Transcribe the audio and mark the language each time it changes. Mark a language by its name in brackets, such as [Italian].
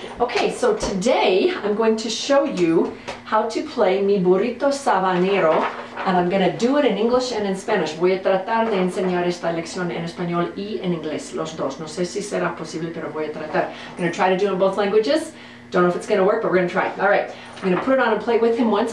[English] Okay, so today I'm going to show you how to play Mi Burrito Sabanero, and I'm going to do it in English and in Spanish. [Spanish] Voy a tratar de enseñar esta lección en español y en inglés, los dos. No sé si será posible, pero voy a tratar. [English] I'm going to try to do it in both languages. Don't know if it's going to work, but we're going to try. All right, I'm going to put it on and play with him once.